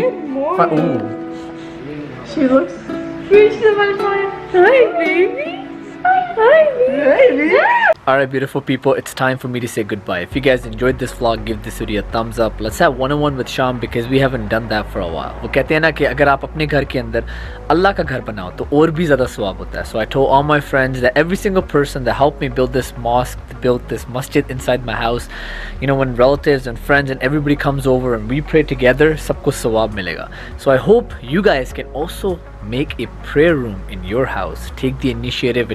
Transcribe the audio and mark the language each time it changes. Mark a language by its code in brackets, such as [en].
[en] Good morning. Ooh. She looks fresh to my mind. Hi, baby. All right, beautiful people, it's time for me to say goodbye. If you guys enjoyed this vlog, give this video a thumbs up. Let's have one-on-one with Sham because we haven't done that for a while. [ur] وہ کہتے ہے نا کہ اگر آپ اپنے گھر کے اندر اللہ کا گھر بناؤ تو اور بھی زیادہ ثواب ہوتا ہے. [en] So I told all my friends that every single person that helped me build this mosque, built this masjid inside my house, you know, when relatives and friends and everybody comes over and we pray together, [ur] sabko sawab milega. [en] So I hope you guys can also make a prayer room in your house. Take the initiative.